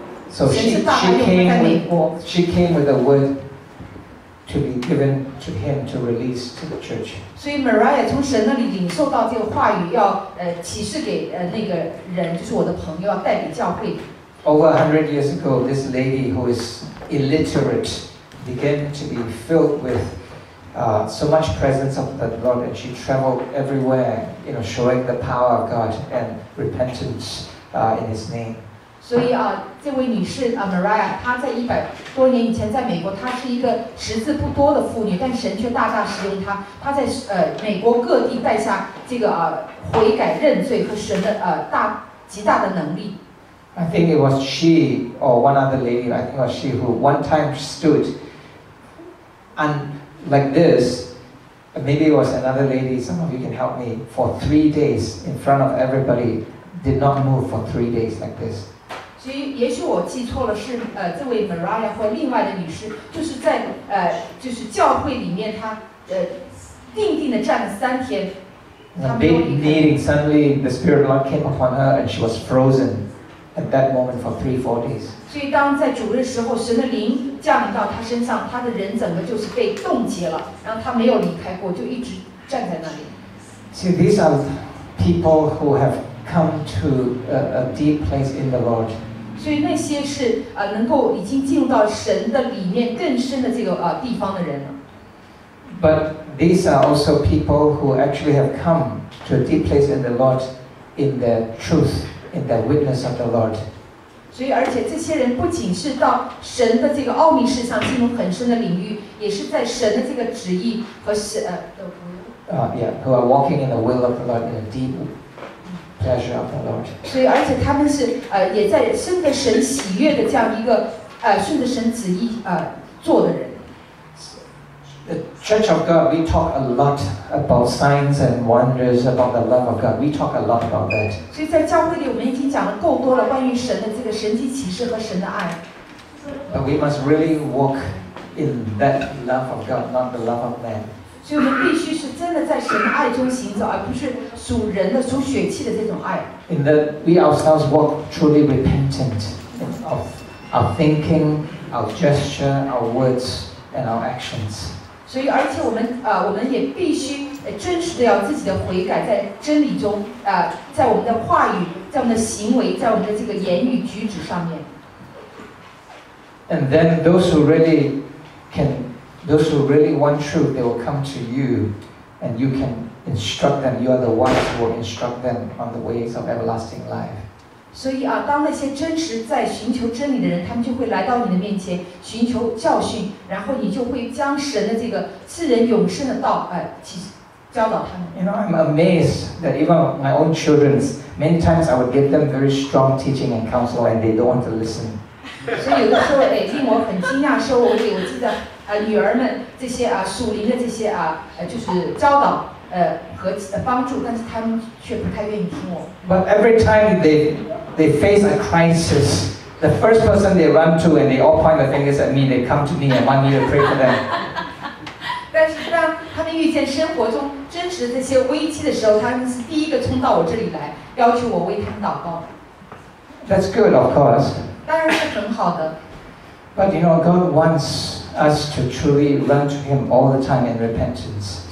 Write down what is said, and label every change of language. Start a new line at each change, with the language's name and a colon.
English: So she came with a word to be given to him to release to the church.
Chinese: 所以 Mariah 从神那里领受到这个话语，要启示给那个人，就是我的朋友，要带给教会。
English: Over 100 years ago, this lady who is illiterate began to be filled with so much presence of the Lord, and she traveled everywhere, you know, showing the power of God and repentance in His name. So, this lady, Mariah, she was 100 years ago in America. She was a not very good woman, but God used her greatly. She was in the United States, bringing this repentance and God's great ability. I think it was she or one other lady. I think it was she who one time stood and. Like this, maybe it was another lady, some of you can help me, for 3 days in front of everybody, did not move for 3 days like this.
Chinese: 所以也许我记错了，是这位 Mariah 或另外的女士，就是在就是教会里面她定定的站了三天。
English: A big meeting, suddenly the Spirit of God came upon her and she was frozen at that moment for 3-4 days.
Chinese: 所以当在主日时候神的灵降临到她身上，她的人整个就是被冻结了，然后她没有离开过，就一直站在那里。
English: See, these are people who have come to a deep place in the Lord.
Chinese: 所以那些是能够已经进入到神的里面更深的这个地方的人了。
English: But these are also people who actually have come to a deep place in the Lord, in their truth, in their witness of the Lord.
Chinese: 所以，而且这些人不仅是到神的这个奥秘事上进入很深的领域，也是在神的这个旨意和神
English: who are walking in the will of the Lord in a deep pleasure of the Lord.
Chinese: 所以，而且他们是也在顺着神喜悦的这样一个顺着神旨意做的人。
English: The Church of God, we talk a lot about signs and wonders, about the love of God. We talk a lot about that.
Chinese: 所以在教会里，我们已经讲了够多了关于神的这个神迹启示和神的爱。
English: But we must really walk in that love of God, not the love of man.
Chinese: 所以我们必须是真的在神的爱中行走，而不是属人的、属血气的这种爱。
English: In that we ourselves walk truly repentant of our thinking, our gesture, our words, and our actions.
Chinese: 所以，而且我们也必须真实的要自己的悔改，在真理中在我们的话语，在我们的行为，在我们的这个言语举止上面。
English: And then those who really want truth, they will come to you, and you can instruct them. You are the one who will instruct them on the ways of everlasting life.
Chinese: 所以当那些真实在寻求真理的人，他们就会来到你的面前寻求教训，然后你就会将神的这个赐人永生的道教导他们。
English: You know, I'm amazed that even my own children, many times I would give them very strong teaching and counsel, and they don't want to listen.
Chinese: 所以有的时候令我很惊讶，说我给我自己的女儿们这些属灵的这些就是教导。和帮助，但是他们却不太愿意听我。
English: But every time they face a crisis, the first person they run to and they all point their fingers at me, they come to me and want me to pray for them.
Chinese: 但是当他们遇见生活中真实的这些危机的时候，他们是第一个冲到我这里来，要求我为他们祷告。
English: That's good, of course.
Chinese: 当然是很好的。
English: But you know, God wants us to truly run to Him all the time in repentance.